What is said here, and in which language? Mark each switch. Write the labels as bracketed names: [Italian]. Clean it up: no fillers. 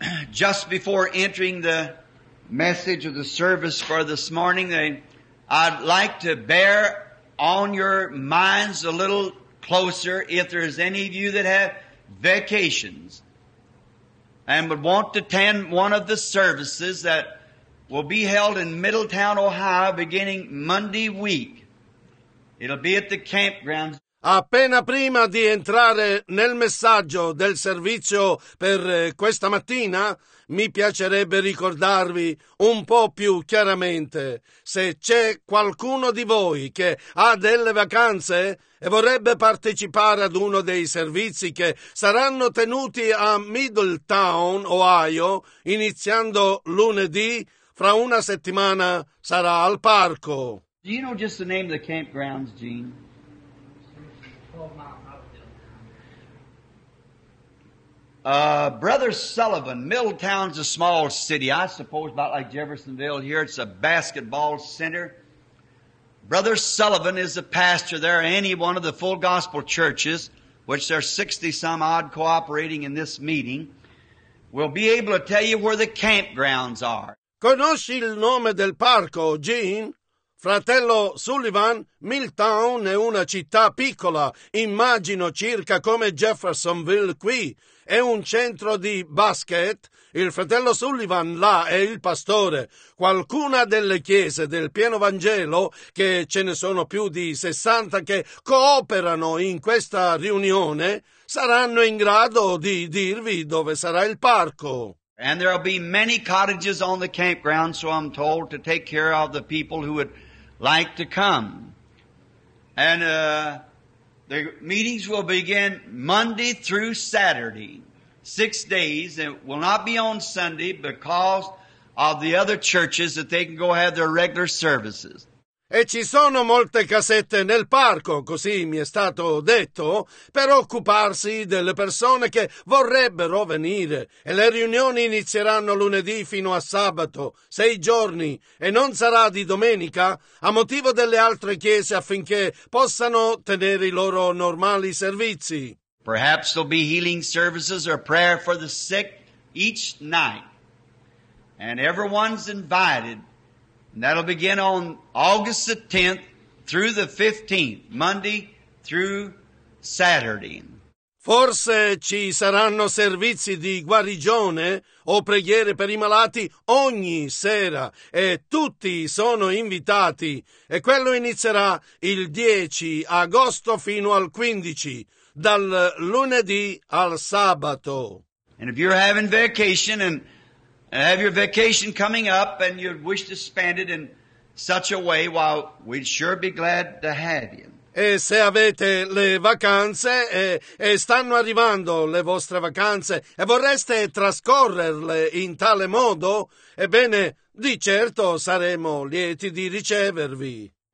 [English] Just before entering the message of the service for this morning, I'd like to bear on your minds a little closer if there's any of you that have vacations and would want to attend one of the services that will be held in Middletown, Ohio, beginning Monday week. It'll be at the campgrounds. [Italian] Appena prima di entrare nel messaggio del servizio per questa mattina, mi piacerebbe ricordarvi un po' più chiaramente. Se c'è qualcuno di voi che ha delle vacanze e vorrebbe partecipare ad uno dei servizi che saranno tenuti a Middletown, Ohio, iniziando lunedì, fra una settimana sarà al parco. [English] Do you know just the name of the campgrounds, Gene? Brother Sullivan, Middletown's a small city, I suppose, about like Jeffersonville here. It's a basketball center. Brother Sullivan is the pastor there, any one of the full gospel churches, which there are 60-some-odd cooperating in this meeting, will be able to tell you where the campgrounds are. [Italian] Conosci il nome del parco, Gene? Fratello Sullivan, Middletown è una città piccola, immagino circa come Jeffersonville qui. È un centro di basket. Il fratello Sullivan là è il pastore. Qualcuna delle chiese del pieno Vangelo, che ce ne sono più di 60 che cooperano in questa riunione, saranno in grado di dirvi dove sarà il parco. [English] And there will be many cottages on the campground, so I'm told, to take care of the people who would like to come. And the meetings will begin Monday through Saturday, 6 days. It will not be on Sunday because of the other churches that they can go have their regular services. [Italian] E ci sono molte casette nel parco, così mi è stato detto, per occuparsi delle persone che vorrebbero venire. E le riunioni inizieranno lunedì fino a sabato, 6 giorni, e non sarà di domenica, a motivo delle altre chiese affinché possano tenere i loro normali servizi. [English] Perhaps there'll be healing services or prayer for the sick each night. And everyone's invited. And that'll begin on August the 10th through the 15th, Monday through Saturday. [Italian] Forse ci saranno servizi di guarigione o preghiere per i malati ogni sera e tutti sono invitati. E quello inizierà il 10 agosto fino al 15, dal lunedì al sabato. [English] And if you're having vacation and have your vacation coming up and you'd wish to spend it in such a way, well, we'd sure be glad to have you. [Italian] E se avete le vacanze e stanno arrivando le vostre vacanze e vorreste trascorrerle in tale modo, ebbene, di certo saremo lieti di ricevervi.